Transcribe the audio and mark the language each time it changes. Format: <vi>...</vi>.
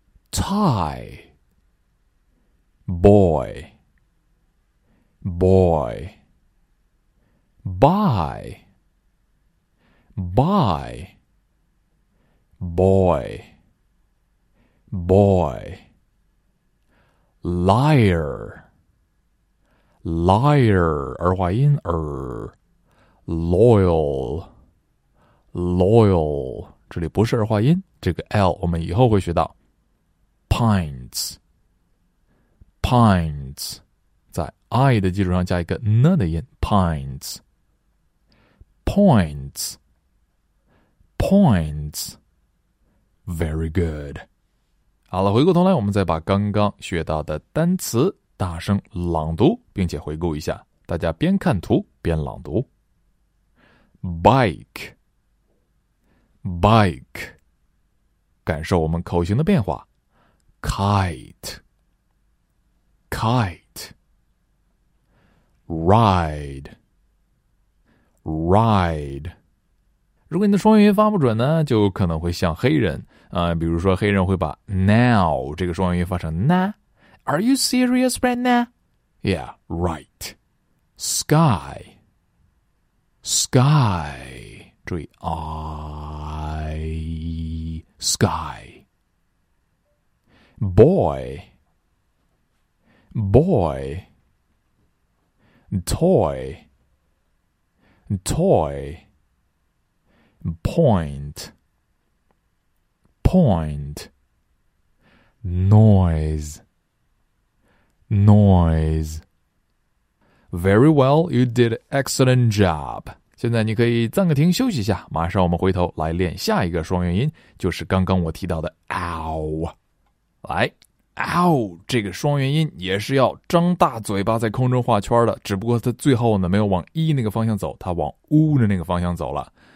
<en>tie boy boy byBy, boy, boy, liar, liar,</en> <zh>儿化音儿,</zh> <en>loyal, loyal,</en> <zh>这里不是儿化音，这个 L 我们以后会学到。</zh> <en>Pines, pines,</en> <zh>在 I 的基础上加一个 N 的音</zh> <en>,pines, points, points, very good.</en> <zh>好了，回过头来我们再把刚刚学到的单词大声朗读，并且回顾一下，大家边看图边朗读。 Bike, bike, 感受我们口型的变化。</zh> <en>Kite, kite. Ride, ride.</en> <zh>如果你的双元音发不准呢，就可能会像黑人啊、比如说黑人会把 now 这个双元音发成 na.</zh> <en>Are you serious right now? Yeah, right. Sky, sky.</en> <zh>注意 I, sky.</zh> <en>Boy, boy, toy, toy, point, point, noise, noise. Very well, you did excellent job.</en> <zh>现在你可以暂个停休息一下，马上我们回头来练下一个双元音，就是刚刚我提到的 ow。来 ,ow, 这个双元音也是要张大嘴巴在空中画圈的，只不过它最后呢没有往 e 那个方向走，它往 u 的那个方向走了。</zh>